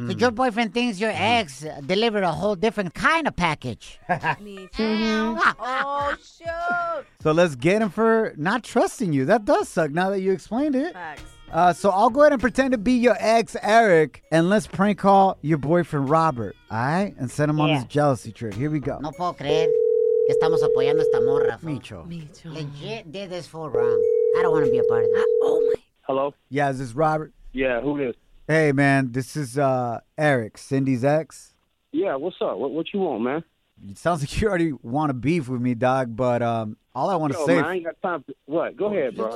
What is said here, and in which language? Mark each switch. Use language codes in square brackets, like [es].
[en] So your boyfriend thinks your ex delivered a whole different kind of package. Me too. Oh, shoot. So let's get him for not trusting you. That does suck now that you explained it. Facts. So I'll go ahead and pretend to be your ex, Eric, and let's prank call your boyfriend, Robert, all right? And send him on his jealousy trip. Here we go. [es] No puedo creer que estamos apoyando esta morra. [en] Micho. Legit did this for wrong. I don't want to be a part of that. Oh, my. Hello? Yeah, is this Robert? Yeah, who is? Hey, man, this is Eric, Cindy's ex. Yeah, what's up? What you want, man? It sounds like you already want to beef with me, dog, but all I want to say... Man, I ain't got time for... What? Go ahead, bro.